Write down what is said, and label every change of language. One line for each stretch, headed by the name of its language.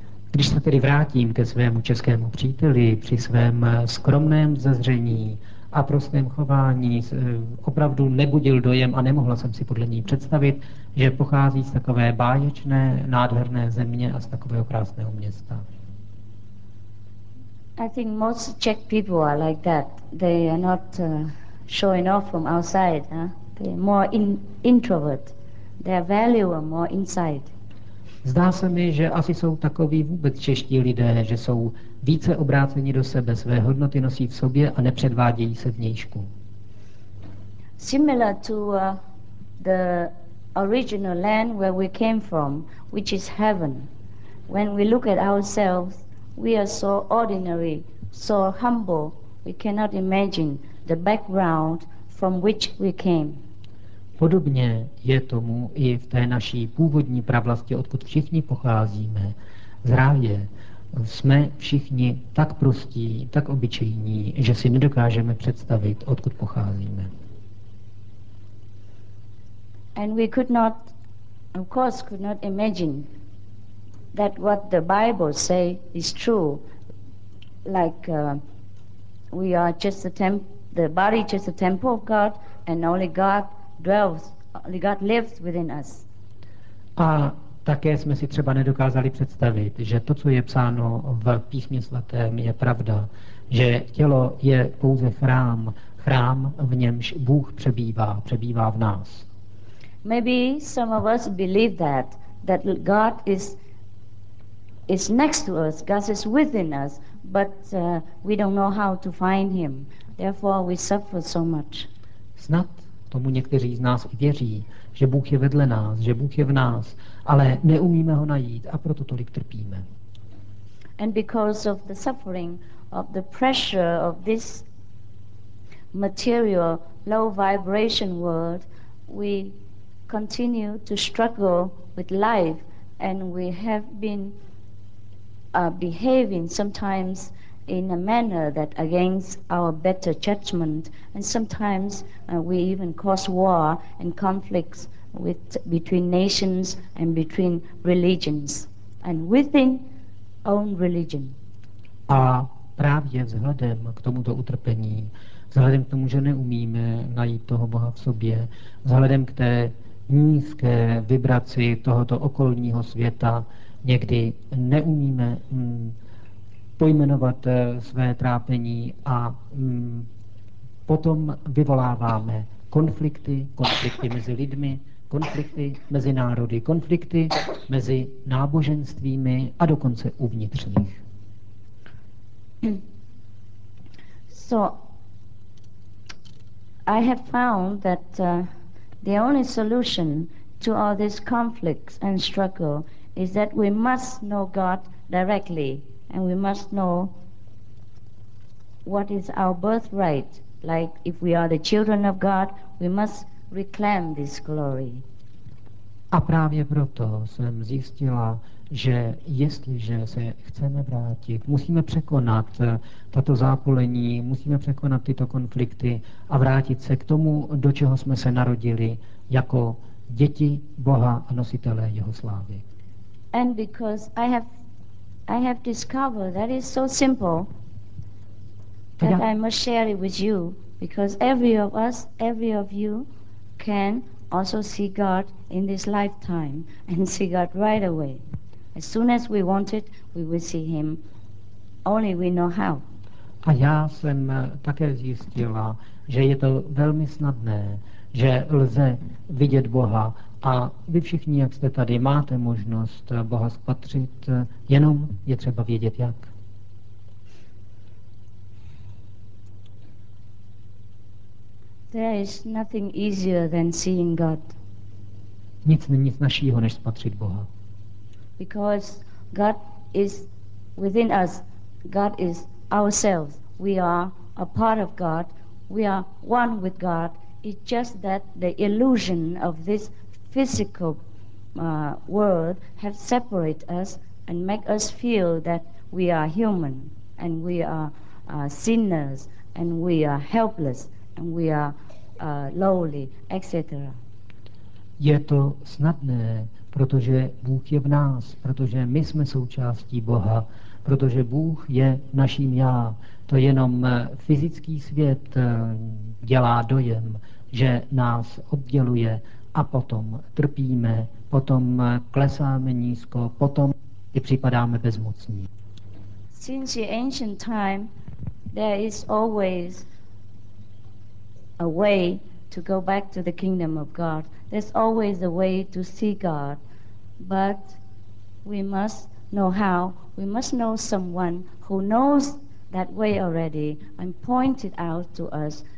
Czech: Když se tedy vrátím ke svému českému příteli, při svém skromném zazření a prostém chování, opravdu nebudil dojem a nemohla jsem si podle ní představit, že pochází z takové báječné, nádherné země a z takového krásného města.
English: I think most Czech people are like that. They are not showing off from outside, They are more introvert. Their value are more inside.
Czech: Zdá se mi, že asi jsou takoví vůbec čeští lidé, že jsou více obráceni do sebe, své hodnoty nosí v sobě a nepředvádějí se vnějšku.
English: Similar to the original land where we came from, which is heaven. When we look at ourselves, we are so ordinary, so humble, we cannot imagine the background from which we came.
Czech: Podobně je tomu i v té naší původní pravlasti, odkud všichni pocházíme, z ráje. Jsme všichni tak prostí, tak obyčejní, že si nedokážeme představit, odkud pocházíme.
English: And we could not, of course, could not imagine that what the Bible say is true, like we are just a temple. The body is just a temple of God, and only God dwells, only God lives within us.
Czech: A také jsme si třeba nedokázali představit, že to, co je psáno v Písmě svatém, je pravda, že tělo je pouze chrám, chrám, v němž Bůh přebývá v nás.
English: Maybe some of us believe that God is next to us, God is within us, but we don't know how to find him. Therefore we suffer so much.
Czech: Snad tomu někteří z nás i věří, že Bůh je vedle nás, že Bůh je v nás, ale neumíme ho najít a proto tolik trpíme.
English: And because of the suffering, of the pressure of this material low vibration world, we continue to struggle with life, and we have been behaving sometimes in a manner that against our better judgment, and sometimes we even cause war and conflicts between nations and between religions and within own religion.
Czech: A právě vzhledem k tomuto utrpení, vzhledem k tomu, že neumíme najít toho Boha v sobě, vzhledem k té nízké vibraci tohoto okolního světa, někdy neumíme pojmenovat své trápení a potom vyvoláváme konflikty mezi lidmi, konflikty mezi národy, konflikty mezi náboženstvími a dokonce uvnitřních.
English: So I have found that the only solution to all these conflicts and struggle is that we must know God directly. And we must know what is our birthright. Like if we are the children of God, we must reclaim this glory.
Czech: A právě proto jsem zjistila, že jestliže se chceme vrátit, musíme překonat tato zápolení, musíme překonat tyto konflikty a vrátit se k tomu, do čeho jsme se narodili, jako děti Boha a nositelé jeho slávy.
English: And because I have discovered that it's so simple, that I must share it with you, because every of us, every of you can also see God in this lifetime and see God right away. As soon as we want it, we will see Him. Only we know how.
Czech: A já jsem také zjistila, že je to velmi snadné, že lze vidět Boha. A vy všichni, jak jste tady, máte možnost Boha spatřit, jenom je třeba vědět jak.
English: There is nothing easier than seeing God.
Czech: Nic není snažšího, než spatřit Boha.
English: Because God is within us. God is ourselves. We are a part of God. We are one with God. It's just that the illusion of this physical world have separated us and make us feel that we are human and we are sinners and we are helpless and we are lowly, etc.
Czech: Je to snadné, protože Bůh je v nás, protože my jsme součástí Boha, protože Bůh je naším já. To jenom fyzický svět dělá dojem, že nás odděluje a potom trpíme, potom klesáme nízko, potom i připadáme bezmocní.
English: Since the ancient time, there is always a way to go back to the kingdom of God. There's always a way to see God, but we must know how. We must know someone who knows that way already and point it out to us.